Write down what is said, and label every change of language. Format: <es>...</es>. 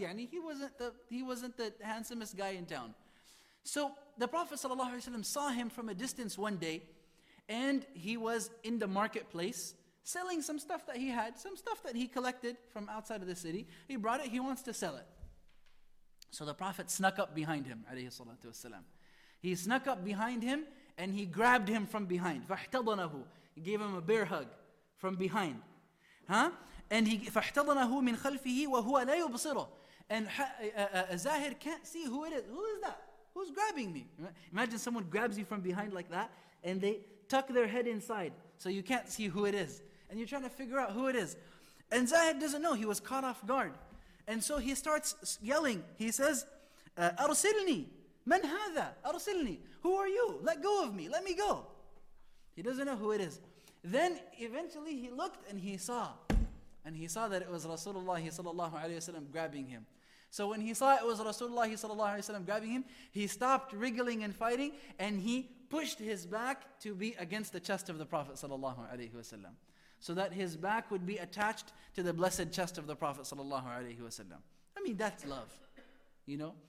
<en>يعني he wasn't the handsomest guy in town." So the Prophet sallallahu alaihi wasallam saw him from a distance one day, and he was in the marketplace selling some stuff that he had, some stuff that he collected from outside of the city. He brought it. He wants to sell it. So the Prophet snuck up behind him, alayhi salatu wasalam. He snuck up behind him and he grabbed him from behind.</en> <ar>فاحتضنه.</ar> <en>He gave him a bear hug from behind. Huh? And he</en> <ar>فاحتضنه من خلفه وهو لا يبصره.</ar> <en>And Zahir can't see who it is. Who is that? Who's grabbing me? Imagine someone grabs you from behind like that, and they tuck their head inside, so you can't see who it is. And you're trying to figure out who it is. And Zahir doesn't know. He was caught off guard. And so he starts yelling. He says,</en> <ar>أرسلني من هذا أرسلني.</ar> <en>Who are you? Let go of me. Let me go. He doesn't know who it is. Then eventually he looked and he saw that it was Rasulullah sallallahu alayhi wa sallam grabbing him. So when he saw it was Rasulullah sallallahu alayhi wa sallam grabbing him, he stopped wriggling and fighting and he pushed his back to be against the chest of the Prophet sallallahu alayhi wa sallam, so that his back would be attached to the blessed chest of the Prophet sallallahu alayhi wa sallam. I mean, that's love. You know?</en>